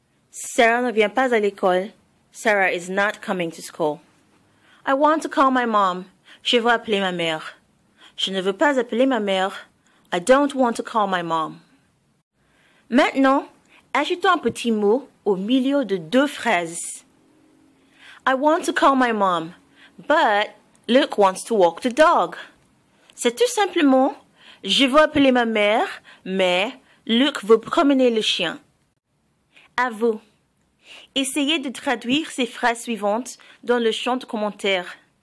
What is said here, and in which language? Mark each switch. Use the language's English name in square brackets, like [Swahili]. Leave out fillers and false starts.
[French] Sarah ne vient pas à l'école. [English] Sarah is not coming to school. I want to call my mom. [French] Je veux appeler ma mère. Je ne veux pas appeler ma mère. [English] I don't want to call my mom. [French] Maintenant, ajoutons un petit mot au milieu de deux phrases. [English] I want to call my mom, but Luke wants to walk the dog. [French] C'est tout simplement, je veux appeler ma mère, mais Luke veut promener le chien. À vous. Essayez de traduire ces phrases suivantes dans le champ de commentaires.